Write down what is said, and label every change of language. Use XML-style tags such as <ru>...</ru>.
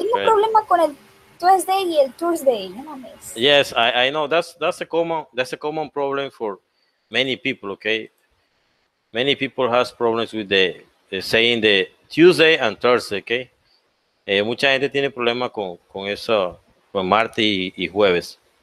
<es>Tengo un problema con el Tuesday y el Thursday, no mames.</es> <en>Yes, I know. That's a common problem for many people, okay? Many people has problems with the saying the Tuesday and Thursday, okay?</en> <es>Mucha gente tiene problema con eso, con martes y jueves.</es>